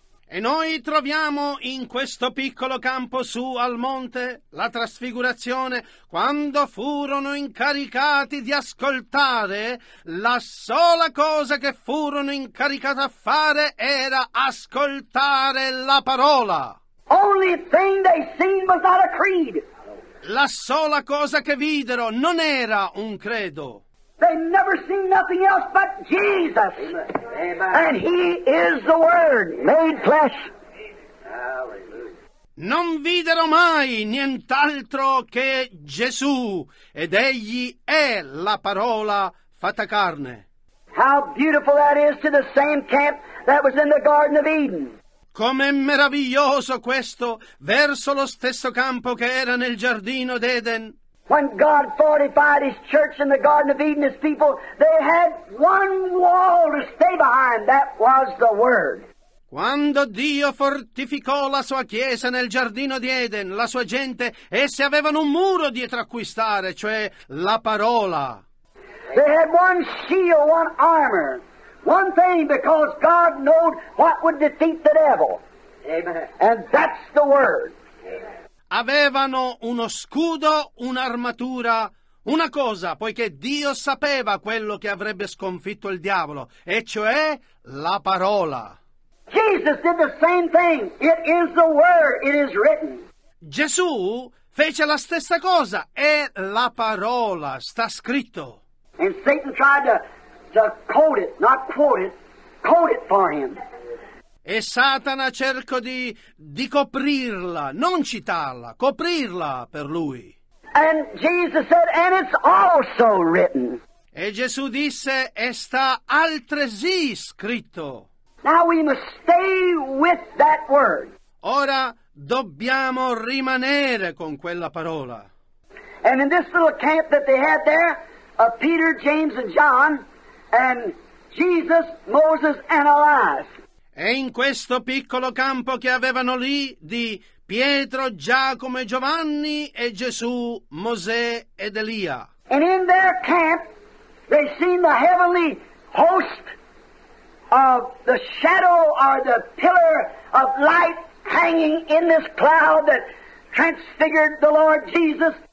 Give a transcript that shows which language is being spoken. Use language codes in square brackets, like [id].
[it] E noi troviamo in questo piccolo campo su al monte, la Trasfigurazione, quando furono incaricati di ascoltare, la sola cosa che furono incaricati a fare era ascoltare la parola. [en] Only thing they seen was not a creed. [it] La sola cosa che videro non era un credo. [en] They never seen nothing else but Jesus. Amen. And he is the word made flesh. [it] Non videro mai nient'altro che Gesù, ed egli è la parola fatta carne. [en] How beautiful that is to the same camp that was in the Garden of Eden. [it] Com'è meraviglioso questo verso lo stesso campo che era nel giardino d'Eden. [en] When God fortified his church in the Garden of Eden, his people, they had one wall to stay behind. That was the word. [it] Quando Dio fortificò la sua chiesa nel giardino di Eden, la sua gente, essi avevano un muro dietro a cui stare, cioè la parola. [en] They had one shield, one armor. One thing, because God knowed what would defeat the devil. Amen. And that's the word. [it] Avevano uno scudo, un'armatura, una cosa, poiché Dio sapeva quello che avrebbe sconfitto il diavolo, e cioè la parola. [en] Jesus did the same thing. It is the word. It is written. [it] Gesù fece la stessa cosa. È la parola. Sta scritto. [en] And Satan tried to quote it, not quote it, quote it for him. [it] E Satana cercò di coprirla, non citarla, coprirla per lui. [en] And Jesus said, and it's also written. [it] E Gesù disse, e sta altresì scritto. [en] Now we must stay with that word. [it] Ora dobbiamo rimanere con quella parola. [en] And in this little camp that they had there, of Peter, James and John, and Jesus, Moses and Elias. [it] E in questo piccolo campo che avevano lì di Pietro, Giacomo e Giovanni e Gesù, Mosè ed Elia. [en] And in their camp they seen the heavenly host of the shadow or the pillar of light hanging in this cloud that transfigured the Lord Jesus.